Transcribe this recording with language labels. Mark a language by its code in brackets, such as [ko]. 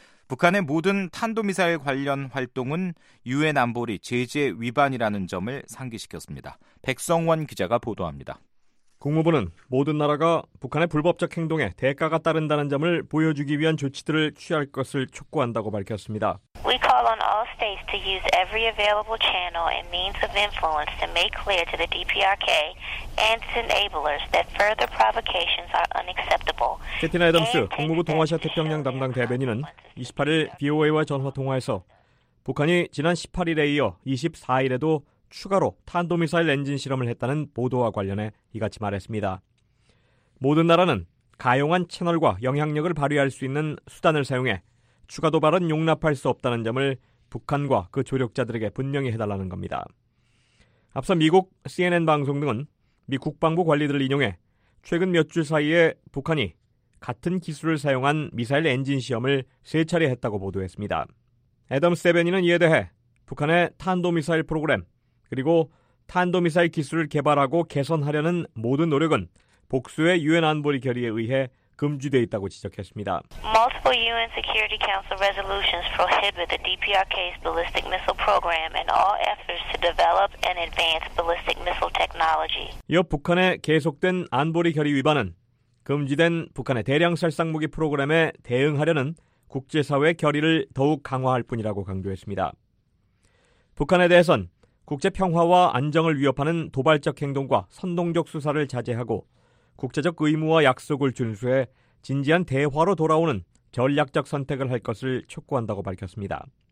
[ko] 북한의 모든 탄도미사일 관련 활동은 유엔 안보리 제재 위반이라는 점을 상기시켰습니다. 백성원 기자가 보도합니다. 국무부는 모든 나라가 북한의 불법적 행동에 대가가 따른다는 점을 보여주기 위한 조치들을 취할 것을 촉구한다고 밝혔습니다. [en] We call on all states to use every available channel and means of influence to make clear to the DPRK and its enablers that further provocations are unacceptable. [ko] 캐티나 애덤스 국무부 동아시아 태평양 담당 대변인은 28일 VOA와 전화 통화에서 북한이 지난 18일에 이어 24일에도 추가로 탄도미사일 엔진 실험을 했다는 보도와 관련해 이같이 말했습니다. 모든 나라는 가용한 채널과 영향력을 발휘할 수 있는 수단을 사용해 추가 도발은 용납할 수 없다는 점을 북한과 그 조력자들에게 분명히 해달라는 겁니다. 앞서 미국 CNN 방송 등은 미 국방부 관리들을 인용해 최근 몇 주 사이에 북한이 같은 기술을 사용한 미사일 엔진 시험을 세 차례 했다고 보도했습니다. 애덤 세베니는 이에 대해 북한의 탄도미사일 프로그램 그리고 탄도미사일 기술을 개발하고 개선하려는 모든 노력은 복수의 유엔 안보리 결의에 의해 금지되어 있다고 지적했습니다. [en] Multiple UN Security Council resolutions prohibit the DPRK's ballistic missile program and all efforts to develop and advance ballistic missile technology. [ko] 이어 북한의 계속된 안보리 결의 위반은 금지된 북한의 대량 살상무기 프로그램에 대응하려는 국제사회 결의를 더욱 강화할 뿐이라고 강조했습니다. 북한에 대해선 국제 평화와 안정을 위협하는 도발적 행동과 선동적 수사를 자제하고 국제적 의무와 약속을 준수해 진지한 대화로 돌아오는 전략적 선택을 할 것을 촉구한다고 밝혔습니다.